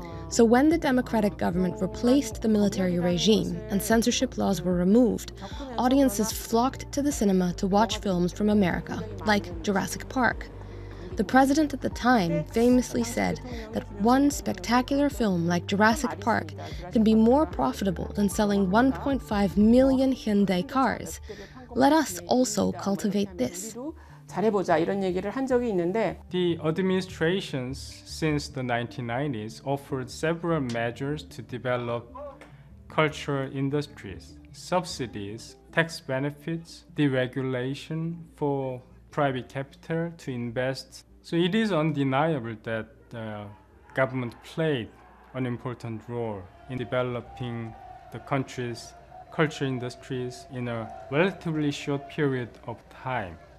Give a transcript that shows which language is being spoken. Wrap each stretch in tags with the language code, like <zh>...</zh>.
<en>So when the democratic government replaced the military regime and censorship laws were removed, audiences flocked to the cinema to watch films from America, like Jurassic Park. The president at the time famously said that one spectacular film like Jurassic Park can be more profitable than selling 1.5 million Hyundai cars. Let us also cultivate this.</en> <ko>잘해보자, 이런 얘기를 한 적이 있는데.</ko> <en>The administrations since the 1990s offered several measures to develop cultural industries, subsidies, tax benefits, deregulation for private capital to invest. So it is undeniable that the government played an important role in developing the country's culture industries in a relatively short period of time.</en>